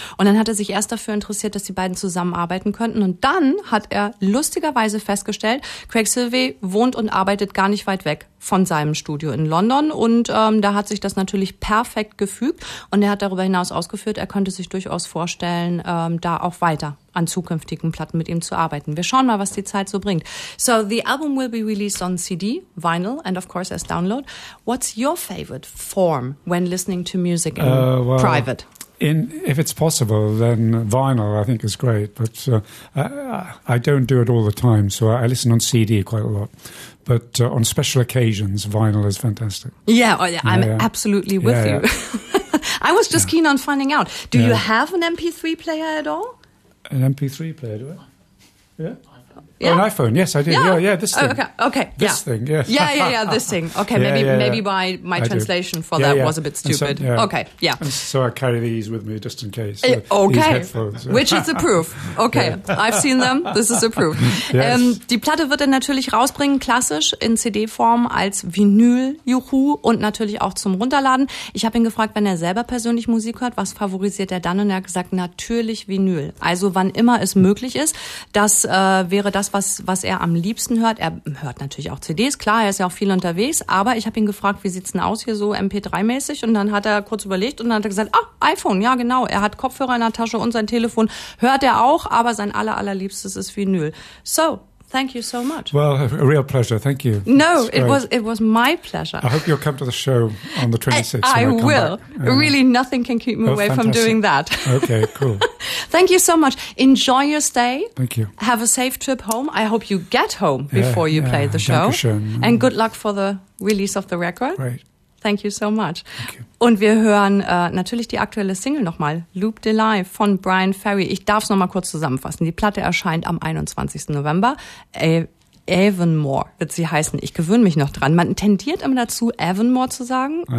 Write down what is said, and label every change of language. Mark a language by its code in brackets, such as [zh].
[de] Und dann hat er sich erst dafür interessiert, dass die beiden zusammenarbeiten könnten. Und dann hat er lustigerweise festgestellt, Craig Sylvie wohnt und arbeitet gar nicht weit weg von seinem Studio in London. Und da hat sich das natürlich perfekt gefügt. Und er hat darüber hinaus ausgeführt, er könnte sich durchaus vorstellen, da auch weiter an zukünftigen Platten mit ihm zu arbeiten. Wir schauen mal, was die Zeit so bringt. [en] So, the album will be released on CD, vinyl, and of course as download. What's your favorite form when listening to music in private? If it's possible, then vinyl, I think, is great. But I don't do it all the time, so I listen on CD quite a lot. But on special occasions, vinyl is fantastic. Yeah, absolutely with you. I was just keen on finding out. Do you have an MP3 player at all? An MP3 player, do I? Yeah. An iPhone, yes, I do. Yeah, this thing. Okay. This thing. Okay, maybe my translation for that was a bit stupid. And so I carry these with me just in case. Which is a proof. Okay, I've seen them, this is a proof. Yes. [de] Die Platte wird er natürlich rausbringen, klassisch in CD-Form als Vinyl, juhu, und natürlich auch zum Runterladen. Ich habe ihn gefragt, wenn er selber persönlich Musik hört, was favorisiert er dann? Und er hat gesagt, natürlich Vinyl. Also wann immer es möglich ist, das wäre das, was er am liebsten hört. Er hört natürlich auch CDs, klar, er ist ja auch viel unterwegs, aber ich habe ihn gefragt, wie sieht's denn aus hier so MP3-mäßig, und dann hat er kurz überlegt und dann hat er gesagt, iPhone, ja genau, er hat Kopfhörer in der Tasche und sein Telefon, hört er auch, aber sein allerliebstes ist Vinyl. [en] So, thank you so much. Well, a real pleasure, thank you. No, it was my pleasure. I hope you'll come to the show on the 26th. I will. Really, nothing can keep me away fantastic. From doing that. Okay, cool. Thank you so much. Enjoy your stay. Thank you. Have a safe trip home. I hope you get home before you play the show. [de] Dankeschön. [en] And good luck for the release of the record. Great. Thank you so much. Thank you. [de] Und wir hören natürlich die aktuelle Single nochmal, Loop Delight von Brian Ferry. Ich darf es nochmal kurz zusammenfassen. Die Platte erscheint am 21. November. Evanmore wird sie heißen. Ich gewöhne mich noch dran. Man tendiert immer dazu, Evanmore zu sagen.